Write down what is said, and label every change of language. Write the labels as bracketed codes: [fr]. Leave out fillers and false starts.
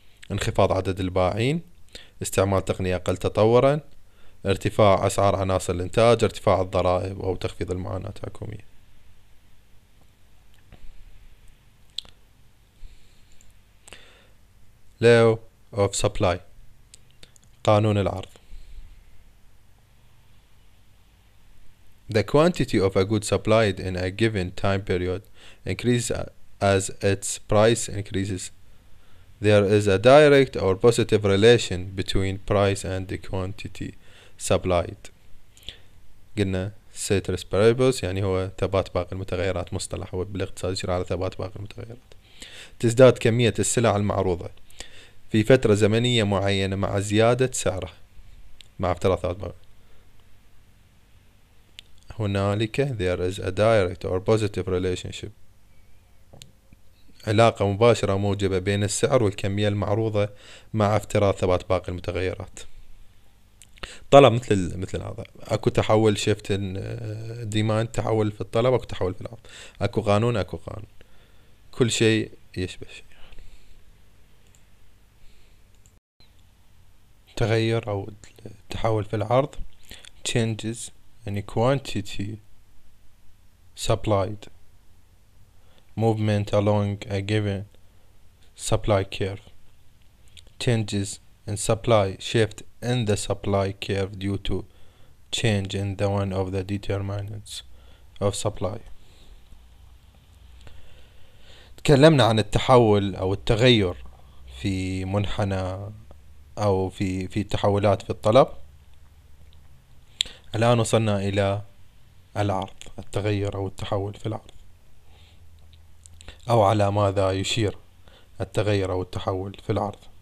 [ar] انخفاض عدد البائعين، استعمال تقنية أقل تطورا، ارتفاع أسعار عناصر الإنتاج، ارتفاع الضرائب أو تخفيض المعاناة الحكومية. لو [en] of supply، [ar] قانون العرض. [en] The quantity of a good supplied in a given time period increases as its price increases. There is a direct or positive relation between price and the quantity supplied. [ar] قلنا ceteris paribus، يعني هو ثبات باقي المتغيرات. مصطلح هو بالاقتصاد يشير على ثبات باقي المتغيرات. تزداد كمية السلع المعروضة في فترة زمنية معينة مع زيادة سعره، مع افتراض ثبات باقي. هنالك [en] there is a direct or positive relationship، [ar] علاقة مباشرة موجبة بين السعر والكمية المعروضة مع افتراض ثبات باقي المتغيرات. طلب مثل العرض، اكو تحول شيفت ديماند، تحول في الطلب، اكو تحول في العرض، اكو قانون، اكو قانون، كل شيء يشبه شيء. تغير او تحول في العرض، [en] changes in quantity supplied movement along a given supply curve. Changes in supply, shift in the supply curve due to change in the one of the determinants of supply. [ar] تكلمنا عن التحول او التغير في منحنى او في التحولات في الطلب. الان وصلنا الى العرض، التغير او التحول في العرض، او على ماذا يشير التغير او التحول في العرض.